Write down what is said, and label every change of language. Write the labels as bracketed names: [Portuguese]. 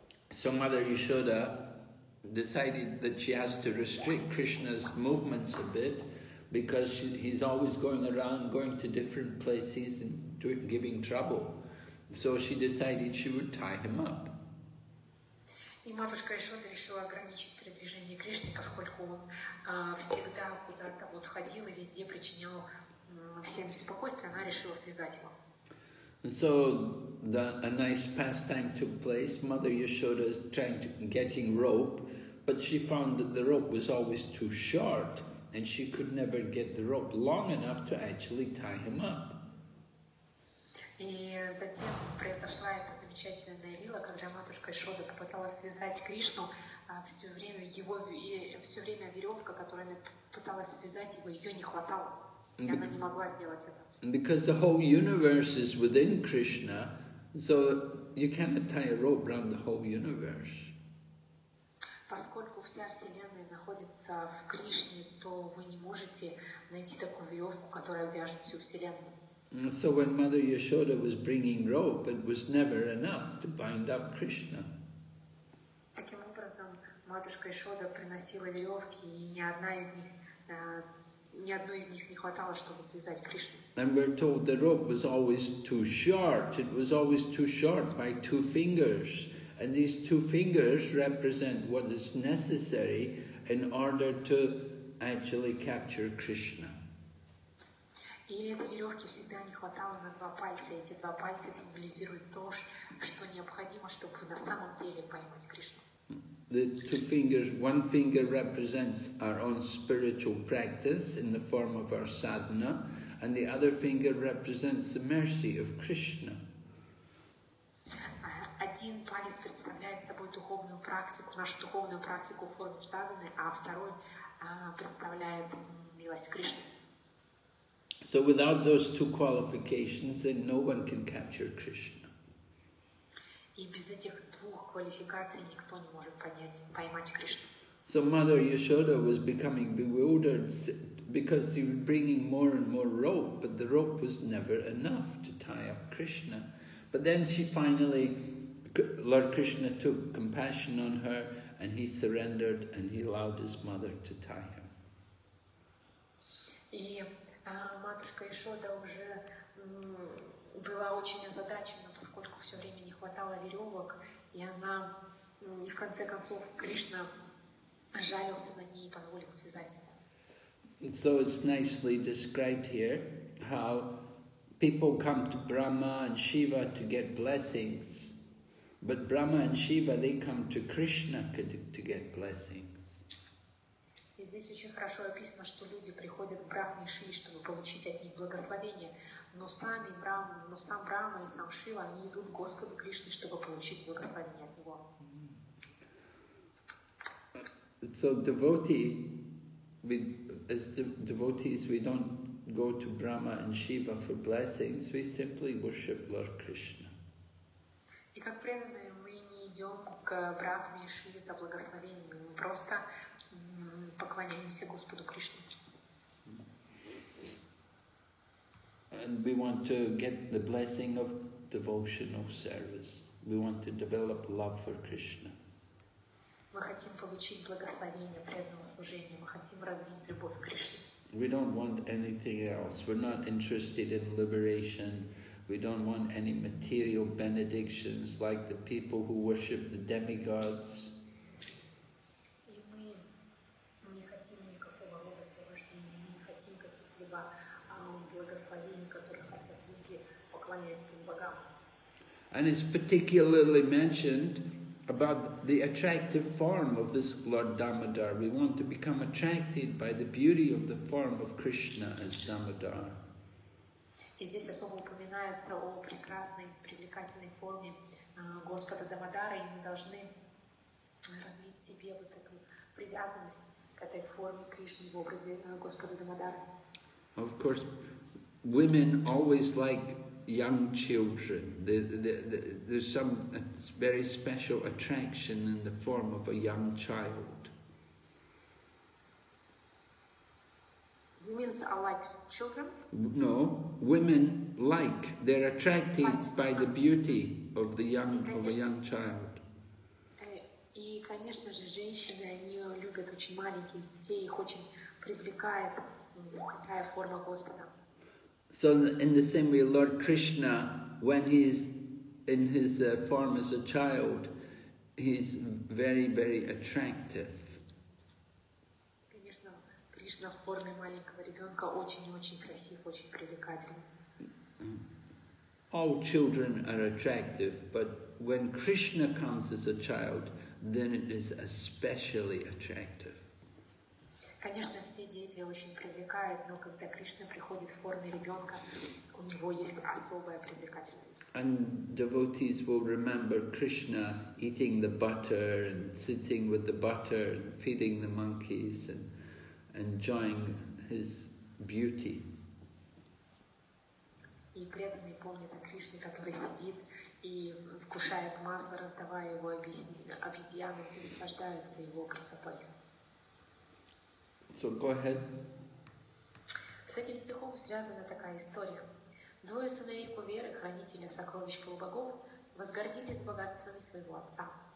[English] So Mother Yashoda decided that she has to restrict Krishna's movements a bit because he's always going around, going to different places and giving trouble. So she decided she would tie him up. [Russian] И матушка Яшода решила ограничить передвижение Кришны, поскольку он всегда куда-то вот ходил и везде причинял всем беспокойство, она решила связать его. [English] So a nice pastime took place. Mother Yashoda is trying to getting rope, but she found that the rope was always too short, and she could never get the rope long enough to actually tie him up. [Russian] И затем произошла эта замечательная лила, когда матушка Яшода попыталась связать Кришну, все время веревка, которую она пыталась связать его, ее не хватало, и она не могла сделать это. [English] Because the whole universe is within Krishna, so you cannot tie a rope around the whole universe. [Russian] Поскольку вся вселенная находится в Кришне, то вы не можете найти такую веревку, которая вяжет всю вселенную. [English] So when Mother Yashoda was bringing rope, it was never enough to bind up Krishna. [Russian] Таким образом, матушка Яшода приносила веревки, и ни одной из них не хватало, чтобы связать Кришну. [English] And we're told the rope was always too short. It was always too short by two fingers, And these two fingers represent what is necessary in order to actually capture Krishna. [Russian] И этой веревки всегда не хватало на два пальца. Эти два пальца символизируют то, что необходимо, чтобы на самом деле поймать Кришну. [English] The two fingers, one finger represents our own spiritual practice in the form of our sadhana, and the other finger represents the mercy of Krishna. [Russian] Один палец представляет собой духовную практику, нашу духовную практику в форме садханы, а второй представляет милость Кришны. [English] So without those two qualifications, then no one can capture Krishna. [Russian] И без этих двух квалификаций никто не может поймать Кришну. [English] So Mother Yashoda was becoming bewildered because he was bringing more and more rope, but the rope was never enough to tie up Krishna. But then she finally, Lord Krishna took compassion on her and he surrendered and he allowed his mother to tie him. [Russian] И матушка Ишода уже была очень озадачена, поскольку все время не хватало веревок, и она, и в конце концов Кришна жалился над ней и позволил связать. [English] So it's nicely described here how people come to Brahma and Shiva to get blessings, but Brahma and Shiva, they come to Krishna to get blessings. [Russian] И здесь очень хорошо описано, что люди приходят к Брахме и Шиве, чтобы получить от них благословение, но сам Брахма и сам Шива, они идут к Господу Кришне, чтобы получить благословение от Него. [English] So as devotees, we don't go to Brahma and Shiva for blessings, we simply worship Lord Krishna. [Russian] И как преданные, мы не идем к Брахме и Шиве за благословениями, мы просто поклоняемся Господу Кришне. [English] And we want to get the blessing of devotional service. We want to develop love for Krishna. [Russian] Мы хотим получить благословение преданного служения, мы хотим развить любовь к Кришне. [English] We don't want anything else. We're not interested in liberation. We don't want any material benedictions like the people who worship the demigods. [Russian] И мы не хотим никакого рода освобождения, мы не хотим каких-либо благословений, которые хотят люди, поклоняясь богам. [English] And it's particularly mentioned about the attractive form of this Lord Damodar. We want to become attracted by the beauty of the form of Krishna as Damodar. [Russian] И здесь особо упоминается о прекрасной, привлекательной форме Господа Дамодара, и мы должны развить в себе вот эту привязанность к этой форме Кришны в образе Господа Дамодара. [English] Of course, women always like young children. There's some very special attraction in the form of a young child. Women like children? No, women like. They're attracted by the beauty of the young of a young child. [Russian] И конечно же женщины, они любят очень маленьких детей, их очень привлекает такая форма Господа. [English] So in the same way, Lord Krishna, when he is in his form as a child, he's very, very attractive. [Russian] Конечно, Кришна в форме маленького ребенка очень-очень красив, очень привлекательный. [English] All children are attractive, but when Krishna comes as a child, then it is especially attractive. [Russian] Конечно, все дети очень привлекают, но когда Кришна приходит в форме ребенка, у него есть особая привлекательность. [English] And devotees will remember Krishna eating the butter and sitting with the butter and feeding the monkeys and enjoying his beauty. [Russian] И преданные помнят о Кришне, который сидит и вкушает масло, раздавая его обезьянам, и наслаждаются его красотой. [English] So go ahead. [Russian] С этим стихом связана такая история. Двое сыновей Куверы, хранители сокровищ полубогов, возгордились богатствами своего отца.